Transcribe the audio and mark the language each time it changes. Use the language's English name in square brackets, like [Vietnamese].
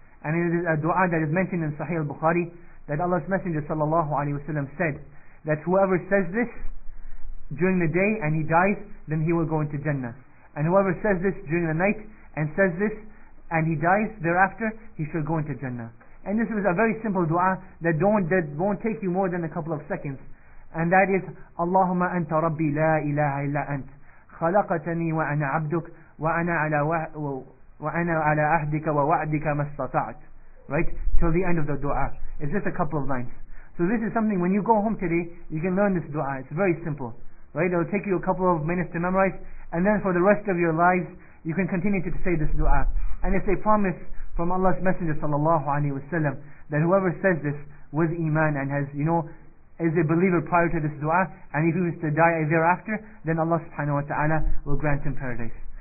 [English] And it is a dua that is mentioned in Sahih al-Bukhari, that Allah's Messenger sallallahu alayhi wa sallam said that whoever says this during the day and he dies, then he will go into Jannah. And whoever says this during the night and says this and he dies thereafter, he shall go into Jannah. And this is a very simple dua that won't take you more than a couple of seconds. And that is, [Arabic] Allahumma anta rabbi la ilaha illa ant. خلقتني وأنا عبدك وأنا على وأنا على أهدك ووعدك ما استطعت. [English] Right? Till the end of the dua. It's just a couple of lines. So this is something, when you go home today, you can learn this dua. It's very simple. Right? It'll take you a couple of minutes to memorize. And then for the rest of your lives, you can continue to say this dua. And it's a promise from Allah's Messenger sallallahu alayhi wa sallam that whoever says this with iman and has, you know, is a believer prior to this dua, and if he was to die thereafter, then Allah subhanahu wa ta'ala will grant him paradise.